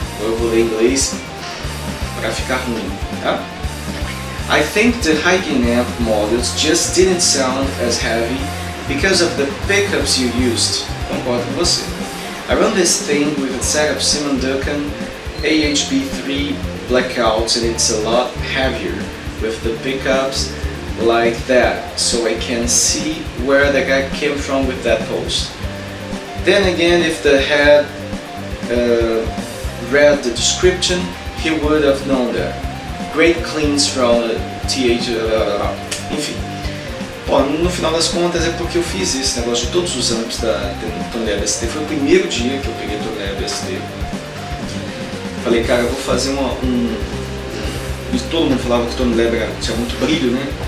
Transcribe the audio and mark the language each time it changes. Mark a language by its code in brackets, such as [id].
[pt] Eu vou ler em inglês para ficar ruim, tá? [en] I think the high-gain amp models just didn't sound as heavy because of the pickups you used. [pt] Concordo com você. [en] I run this thing with a set of Simon Duncan AHB3 blackouts and it's a lot heavier with the pickups like that, so I can see where the guy came from with that post. Then again, if the head read the description, he would have known that. Great cleans from a TH... Enfim. [pt] Bom, no final das contas é porque eu fiz esse negócio de todos os amps da Tonelli ST. Foi o primeiro dia que eu peguei a Tonelli ST. Falei, cara, eu vou fazer E todo mundo falava que o Tonelli era, tinha muito brilho, né?